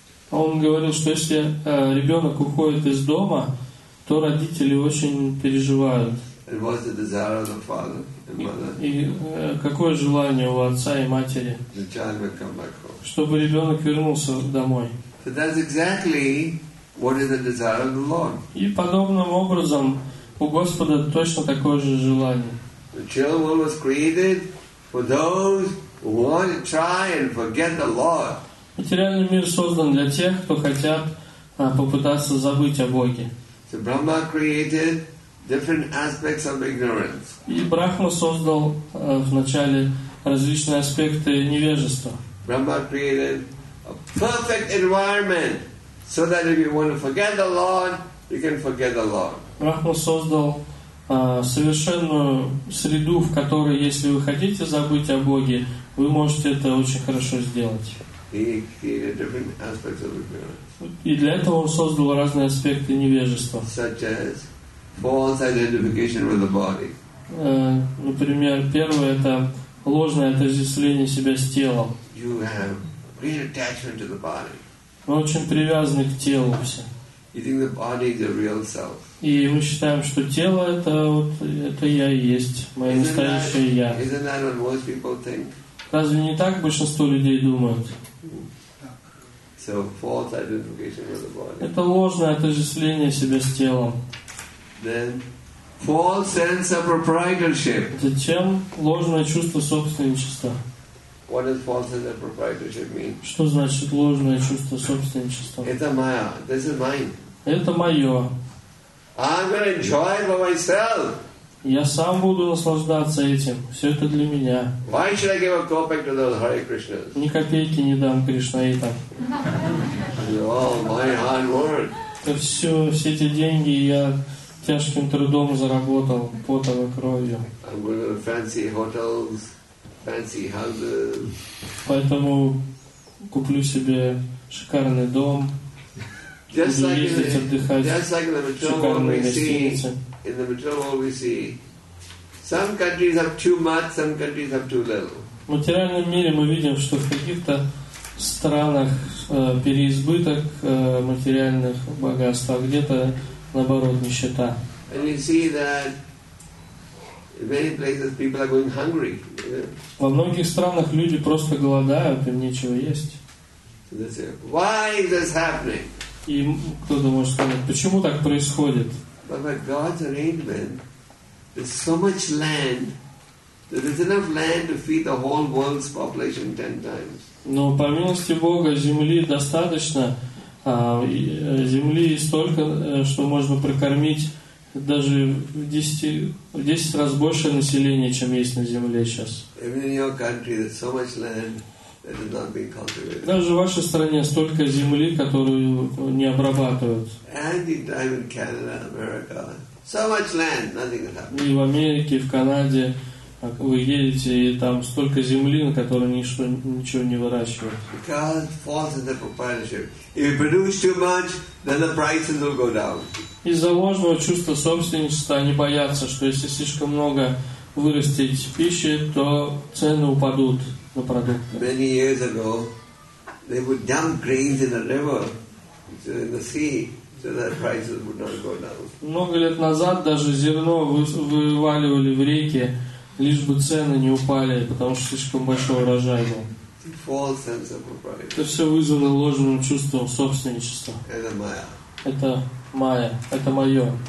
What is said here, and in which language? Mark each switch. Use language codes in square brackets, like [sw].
[ru] Он говорил, что если ребенок уходит из дома, то родители очень переживают. [en] And what's the desire of the father and mother? [ru] И какое желание у отца и матери? [en] The child will come back home. [ru] Чтобы ребенок вернулся домой. [en] So that's exactly what is the desire of the Lord. [ru] И подобным образом у Господа точно такое же желание. [en] The children was created for those who want to try and forget the Lord. [ru] Материальный мир создан для тех, кто хотят попытаться забыть о Боге. [en] So Brahma created different aspects of ignorance. [ru] И Брахма создал вначале различные аспекты невежества. [en] Brahma created a perfect environment so that if you want to forget the Lord, you can forget the Lord. [ru] Брахма создал совершенную среду, в которой, если вы хотите забыть о Боге, вы можете это очень хорошо сделать. И для этого он создал разные аспекты невежества. [en] Such as false identification with the body. [ru] Например, первое — это ложное отождествление себя с телом. [en] You have great attachment to the body. [ru] Мы очень привязаны к телу все. [en] You think the body is the real self. [ru] И мы считаем, что тело — это вот это я и есть, мое настоящее я. [en] Isn't that what most people think? [ru] Разве не так большинство людей думают? [en] So false identification with the body. [ru] Это ложное отождествление себя с телом. [en] Then false sense of proprietorship. [ru] Затем ложное чувство собственничества. [en] What does false sense of proprietorship mean? [ru] Что значит ложное чувство собственничества? Это моё. [en] This is mine. [ru] Это моё. [en] I'm gonna enjoy it for myself. [ru] Я сам буду наслаждаться этим. Все это для меня. [en] Why should I give a copeck to those Hare Krishnas? [ru] Ни копейки не дам Кришнаитам. [en] All my hard work. [ru] Это все эти деньги я тяжким трудом заработал, потом и кровью. [en] I'm going to fancy hotels, fancy houses. [ru] Поэтому куплю себе шикарный дом. [en] Just [ru] буду [en] like [ru] ездить, отдыхать в шикарной гостинице. [en] In the material world, we see some countries have too much, some countries have too little. [ru] В материальном мире мы видим, что в каких-то странах переизбыток материальных богатств, а где-то наоборот нищета. [en] And you see that in many places people are going hungry. [ru] Во многих странах люди просто голодают, им нечего есть. [en] Why is this happening? [ru] И кто-то может сказать, почему так происходит? [en] But by God's arrangement, there's so much land that there's enough land to feed the whole world's population 10 times. [ru] Но по милости Бога земли достаточно, земли столько, что можно прокормить даже в десять раз больше населения, чем есть на земле сейчас. [en] Even in your country, there's so much land that is not being cultivated. [ru] Даже в вашей стране столько земли, которую не обрабатывают. [en] And you drive in Canada, America, so much land, nothing is happening. [ru] И в Америке, в Канаде, вы едете, и там столько земли, на которой ничего не выращивают. [en] Because false in the proprietorship. If you produce too much, then the prices will go down. [ru] Из-за ложного чувства собственничества они боятся, что если слишком много вырастить пищи, то цены упадут. [en] Many years ago, they would dump grains in the river, in the sea, so that prices would not go down. [ru] Много лет назад даже зерно вываливали в реки, лишь бы цены не упали, потому что слишком большой урожай был. [en] False sense of propriety. [ru] Это все вызвано ложным чувством собственничества. Это моё. Это моё. Это моё.